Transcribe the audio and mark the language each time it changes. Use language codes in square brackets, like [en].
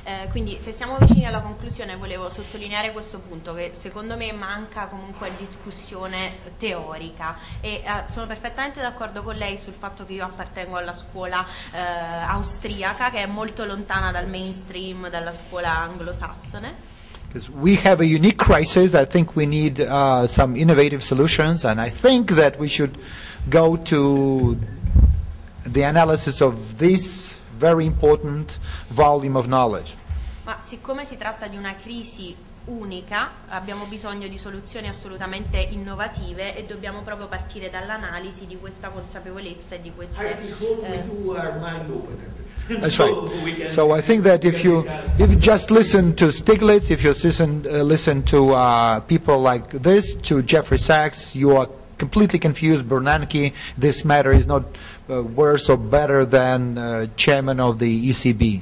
[it] Quindi se siamo vicini alla conclusione volevo sottolineare questo punto, che secondo me manca comunque discussione teorica, e sono perfettamente d'accordo con lei sul fatto che io appartengo alla scuola austriaca, che è molto lontana dal mainstream, dalla scuola anglosassone. [en] Because we have a unique crisis, I think we need some innovative solutions, and I think that we should go to the analysis of this very important volume of knowledge. [it] Ma siccome si tratta di una crisi unica, abbiamo bisogno di soluzioni assolutamente innovative, e dobbiamo proprio partire dall'analisi di questa consapevolezza e di queste [en] That's right. So I think that if you just listen to Stiglitz, if you listen to people like this, to Jeffrey Sachs, you are completely confused. Bernanke, this matter is not worse or better than chairman of the ECB,